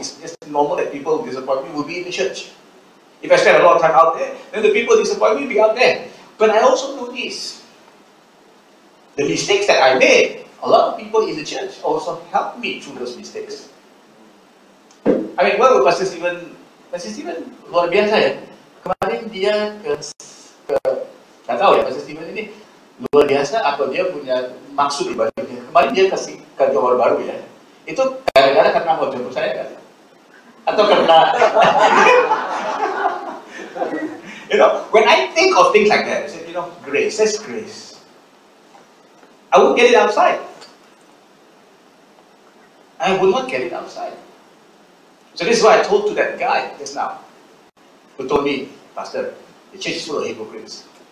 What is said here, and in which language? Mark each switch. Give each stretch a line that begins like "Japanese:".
English: It's just normal that people disappoint me will be in the church. If I spend a lot of time out there, then the people disappoint me will be out there. But I also know this. The mistakes that I made, a lot of people in the church also helped me through those mistakes. I mean, what would Pastor Steven?
Indonesian: Pastor Steven luar biasa ya. Kemarin dia ke nggak tahu ya Pastor Steven ini luar biasa atau dia punya maksud di baliknya. Kemarin dia kasih ke Johor Baru ya. Itu gara-gara karena mau jemput saya kan? Atau karena
English: you know, when I think of things like that, I said, you know, grace, that's grace. I won't get it outside. I will not get it outside. So this is what I told to that guy just now, who told me, Pastor, the church is full of hypocrites.